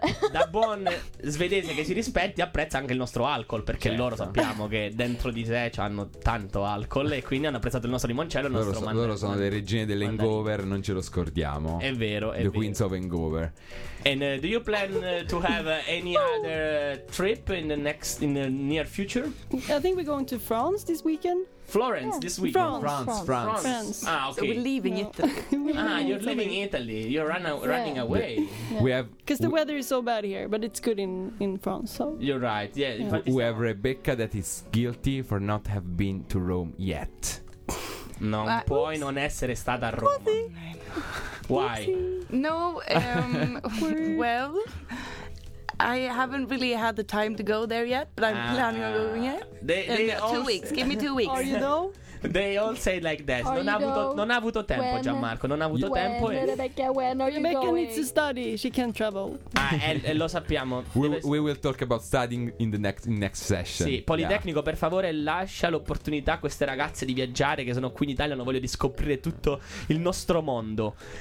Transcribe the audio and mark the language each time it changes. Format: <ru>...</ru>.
<it>Da buon svedese che si rispetti, apprezza anche il nostro alcol, perché loro sappiamo che dentro di sé hanno tanto alcol e quindi hanno apprezzato il nostro limoncello e il nostro mandarino. Loro sono le regine del hangover, non ce lo scordiamo. È vero,</it> <en>The Queens of Hangover. And do you plan to have any other trip in the near future? I think we're going to France this weekend. France. Ah, okay. So we're leaving Italy. You're leaving Italy. You're running away. We have, because the weather is so bad here, but it's good in France. So you're right. Yeah. Yeah. We have Rebecca that is guilty for not have been to Rome yet.</en> <it>Non puoi non essere stata a Roma. Quasi.</it> <en>Why? No. well. I haven't really had the time to go there yet, but I'm planning on going yet. Give me 2 weeks. Are you though? They all say like that.</en> <it>Non ha avuto tempo,</it> <en>when,</en> <it>Gianmarco. Non ha avuto tempo.</it> <en>Rebecca, when are you Rebecca going? Needs to study. She can travel.</en> <it>E lo sappiamo.</it> <en>We will talk about studying in the next session.</en> <it>Sì, Politecnico, per favore, lascia l'opportunità a queste ragazze di viaggiare, che sono qui in Italia e hanno voglia di scoprire tutto il nostro mondo.</it>